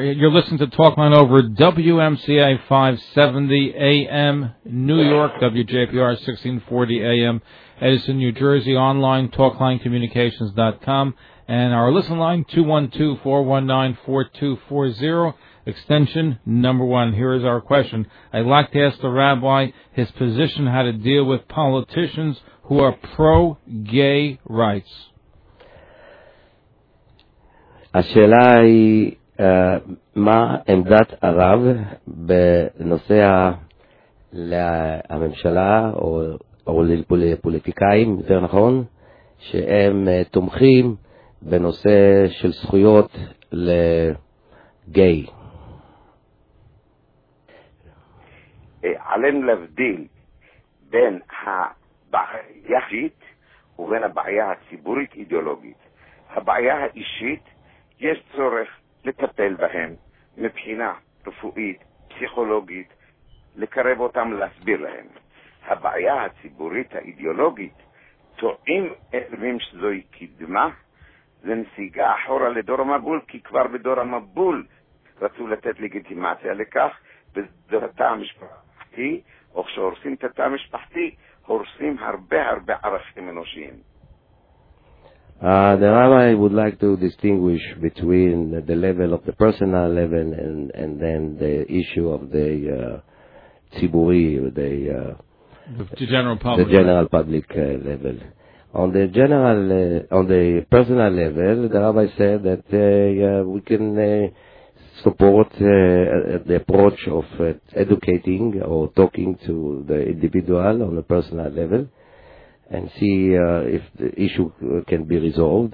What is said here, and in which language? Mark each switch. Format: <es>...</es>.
<en>You're listening to Talkline over WMCA 570 AM, New York, WJPR 1640 AM, Edison, New Jersey, online, talklinecommunications.com, and our listen line, 212-419-4240, extension number one. Here is our question. I'd like to ask the rabbi his position how to deal with politicians who are pro-gay rights.</en> <he>השאלה היא, מה עמדת הרב בנושא הממשלה או לפוליטיקאים, יותר נכון, שהם תומכים בנושא של זכויות לגיי? עלינו להבדיל בין הבעיה האישית ובין הבעיה הציבורית אידיאולוגית. הבעיה האישית, יש צורך לטפל בהם מבחינה רפואית, פסיכולוגית, לקרב אותם, להסביר להם. הבעיה הציבורית האידיאולוגית, טועים ערבים שזוהי קדמה, זה נסיגה אחורה לדור המבול, כי כבר בדור המבול רצו לתת לגיטימציה לכך, בדור התא המשפחתי, או כשהורסים את התא המשפחתי, הורסים הרבה הרבה ערכים אנושיים.</he> <en>The rabbi would like to distinguish between the level of the personal level and then the issue of the tziburi, the general public level. On the general, on the personal level, the rabbi said that we can support the approach of educating or talking to the individual on a personal level, and see if the issue can be resolved.</en>